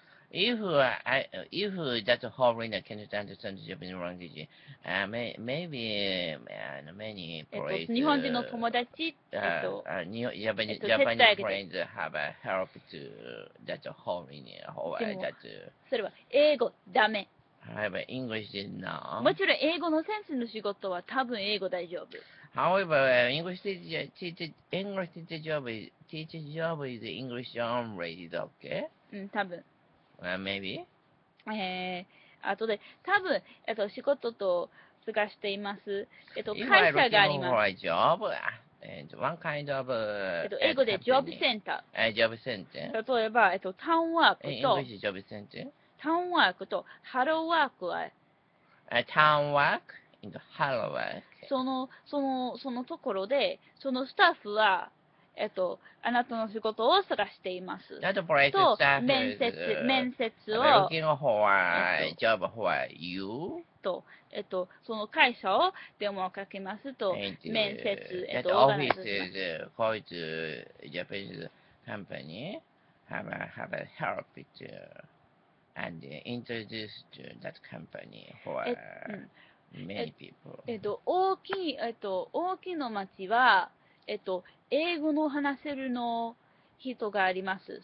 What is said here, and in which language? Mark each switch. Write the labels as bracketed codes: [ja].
[en] If that Hovrina cannot understand the Japanese language, maybe many [ja] places. 日本人の友達、 [en] Japanese friends have help to that Hovrina or that. [ja] それは英語ダメ。 [en] However, English is not. [ja] もちろん英語の先生の仕事は多分英語大丈夫。 [en] However, English teacher job is English only, is okay? [ja] うん、多分。 [en] Maybe? [ja] あとで、多分、仕事と探しています。会社があります。 [en] If I look for a job, and one kind of... [ja] 英語で job center。 [en] Job center。 [ja] 例えば、タウンワークと。 [en] English job center? [ja] タウンワークとハローワークは、タウンワーク and ハローワーク。そのところで、そのスタッフは、あなたの仕事を探しています。 [en] That place [ja] と面接を、 [en] looking for a job for you? [ja] と、その会社を電話をかけますと、 [en] and, [ja] 面接、 [en] that office is called Japanese company have a help to... And introduce to that company for many people. [ja] 大きな町は、英語の話せるの人があります。